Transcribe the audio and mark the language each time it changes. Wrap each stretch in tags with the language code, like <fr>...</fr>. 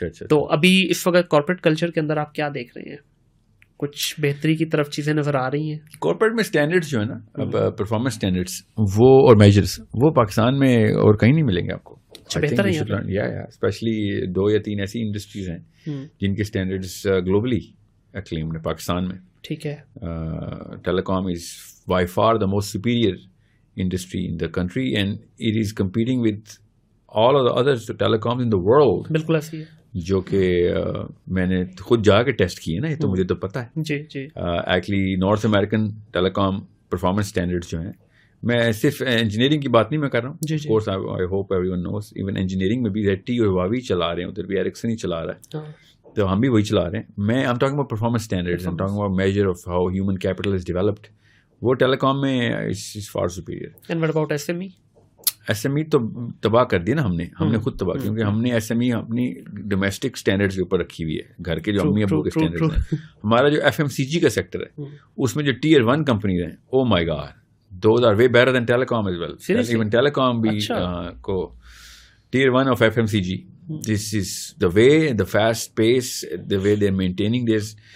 <ur>تو ابھی اس وقت کارپوریٹ کلچر کے اندر آپ کیا دیکھ رہے ہیں, کچھ بہتری کی طرف چیزیں نظر آ رہی ہیں کارپوریٹ میں؟ اسٹینڈرڈس جو ہے نا, پرفارمنس اسٹینڈرڈس وہ اور میجرس, وہ پاکستان میں اور کہیں نہیں ملیں گے آپ کو. بہتر ہے اسپیشلی دو یا تین ایسی انڈسٹریز ہیں جن کے اسٹینڈرڈس گلوبلی اکلیم ہے پاکستان میں. ٹھیک ہے,</ur> <en>Telecom is by far the most superior industry in the country and it is competing with all of the other telecoms in the world.</en> <ur>بالکل ایسی ہے جو کہ میں نے خود جا کے ٹیسٹ کی ہے نا, یہ تو مجھے تو پتا ہے. جی جی, ایکچولی نارتھ امیریکن ٹیلی کام پرفارمنس اسٹینڈرڈ جو ہیں, میں صرف انجینئرنگ کی بات نہیں میں کر رہا ہوں. جی جی,</ur> <en>of course I hope everyone knows,</en> <ur>even engineering میں بھی ریڈ ٹی اور ہواوی چلا رہے ہیں, ادھر بھی ایرکسن ہی چلا رہا ہے, تو ہم بھی وہی چلا رہے ہیں.</ur> <en>میں I am talking about performance standards, I am talking about major of how human capital is developed, وہ telecom میں is far superior. And what about S M E?</en> <ur>S M E تو تباہ کر دیا نا ہم نے, ہم نے خود تباہ, کیونکہ ہم نے ایس ایم ای اپنی ڈومیسٹک اسٹینڈرڈ کے اوپر رکھی ہوئی ہے, گھر کے جو امی ابو کے اسٹینڈرڈ ہیں. ہمارا جو ایف ایم سی جی کا سیکٹر ہے اس میں جو ٹیئر ون کمپنیز ہیں,</ur> <en>Oh my God, those are way better than telecom as well. Even telecom بھی کو tier one of F M C G, this is the way, the fast pace, the way they are maintaining this.</en>